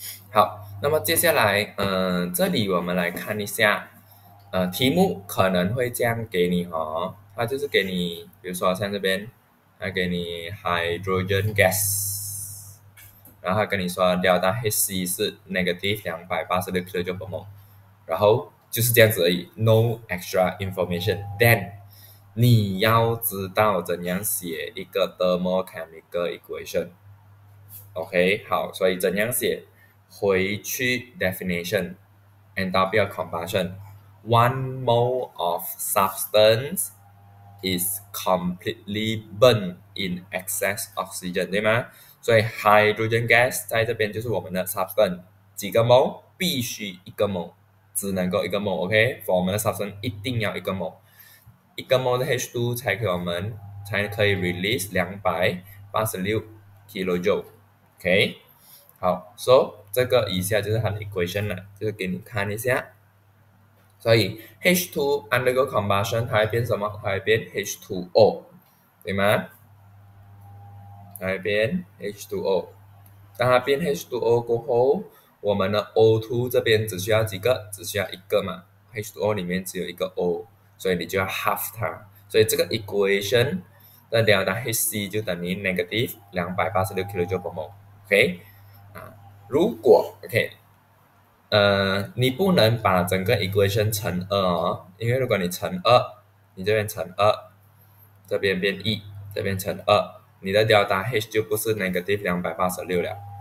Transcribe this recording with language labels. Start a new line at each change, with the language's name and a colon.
Chinese: 好，那么接下来，这里我们来看一下，题目可能会这样给你哦，它就是给你，比如说像这边，它给你 hydrogen gas，然后它跟你说 delta Hc 是 negative 286 kilojoule per mole，然后就是这样子而已，
English: no extra information。
Chinese: Then 你要知道怎样写一个 thermochemical equation，OK，好，所以怎样写？回去 definition enthalpy of combustion,
English: 1 mole of substance is completely burned in excess oxygen，
Chinese: 对吗？所以 hydrogen gas 在这边就是我们的 substance，几个 mole 必须一个 mole，只能够一个 mole，OK？For 我们的 substance 一定要一个 mole，一个 mol 的 H2 才可以 release 286 kilojoule。 OK， 好， so 这个以下就是它的 equation 了，就是给你看一下。所以 H2 undergo combustion 它会变什么？它会变 H2O， 对吗？它会变 H2O。当它变 H2O 过后，我们的 O2 这边只需要几个？只需要一个嘛， H2O 里面只有一个 O， 所以你就要 half 它。所以这个 equation 的 delta Hc 就等于 negative 286 kJ/mol。 OK， 如果 OK，你不能把整个 equation 乘2哦，因为如果你乘2，你这边乘2，这边变1，这边乘2，你的 delta H 就不是 negative 286 了。